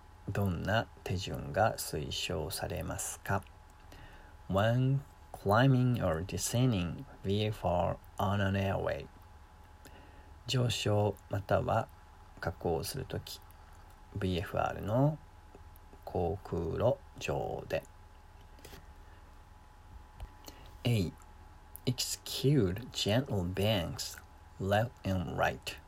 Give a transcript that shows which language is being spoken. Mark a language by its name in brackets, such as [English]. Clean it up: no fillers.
[Japanese] どんな手順が推奨されますか? [English] When climbing or descending VFR on an airway. [Japanese] 上昇または下降するとき、VFR の航空路上で。 [English] A. Execute gentle banks left and right.